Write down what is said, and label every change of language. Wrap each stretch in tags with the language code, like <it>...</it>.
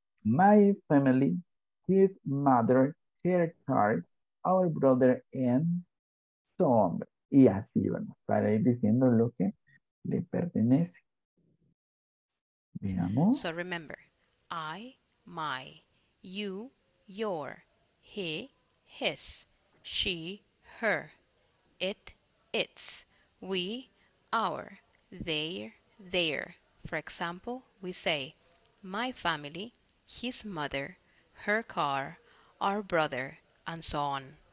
<en>My family, his mother, her car, our brother, and Tom.</en> <es>Y así, bueno, para ir diciendo lo que le pertenece. Veamos.</es> <en>So remember, I, my, you, your, he, his, she, her, it, its, we, our, they, their. For example, we say, my family, his mother, her car, our brother, and so on.</en>